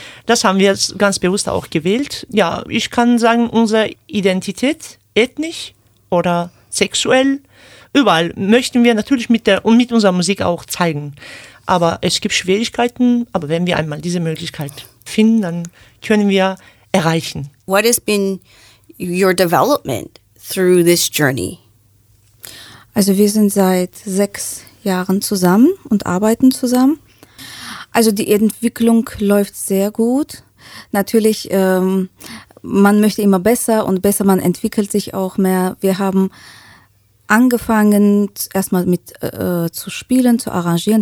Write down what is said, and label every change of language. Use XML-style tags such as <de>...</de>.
<de>Das haben wir ganz bewusst auch gewählt. Ja, ich kann sagen, unsere Identität, ethnisch oder sexuell, überall möchten wir natürlich mit unserer Musik auch zeigen. Aber es gibt Schwierigkeiten, aber wenn wir einmal diese Möglichkeit finden, dann können wir erreichen.</de> <en>What has been your development through this journey?</en> <de>Also wir sind seit 6 Jahren zusammen und arbeiten zusammen. Also die Entwicklung läuft sehr gut. Natürlich, man möchte immer besser und besser, man entwickelt sich auch mehr. Wir haben angefangen erstmal mit zu spielen, zu arrangieren.</de>